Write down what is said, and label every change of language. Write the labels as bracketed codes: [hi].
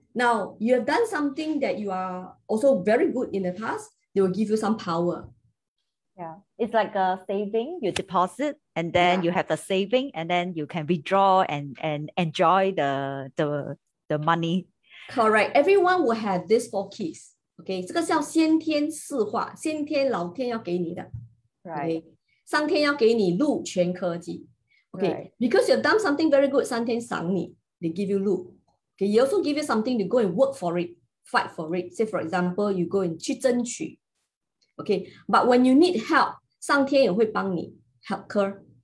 [en] Now, you have done something that you are also very good in the past, they will give you some power. Yeah, it's like a saving, you deposit, and then you have the saving, and then you can withdraw and enjoy the money. Correct. Everyone will have these four keys. Okay. [zh] 这个叫先天四化, 先天老天要给你的, [en] right. [zh] Okay. 上天要给你禄全科技, okay. Right. [en] Because you've done something very good, [zh] 上天赏你, [en] they give you禄. Okay. You also give you something to go and work for it, fight for it. Say, for example, you go and [zh] 去争取, [en] okay. But when you need help, [zh] 上天也会帮你, [en] help her.